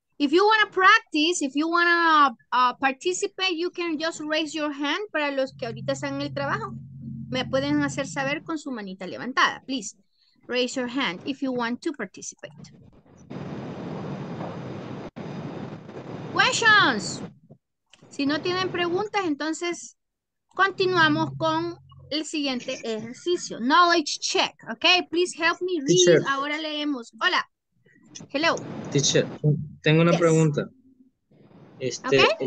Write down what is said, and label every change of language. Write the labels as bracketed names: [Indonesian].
[English] If you want to practice, if you want to participate, you can just raise your hand. [Spanish] Para los que ahorita están en el trabajo, me pueden hacer saber con su manita levantada. [English] Please, raise your hand if you want to participate. Questions. [Spanish] Si no tienen preguntas, entonces continuamos con el siguiente ejercicio. [English] Knowledge check. Okay, please help me read. Teacher. [Spanish] Ahora leemos. Hola. [English] Hello. [Spanish] Teacher, tengo una pregunta. Okay.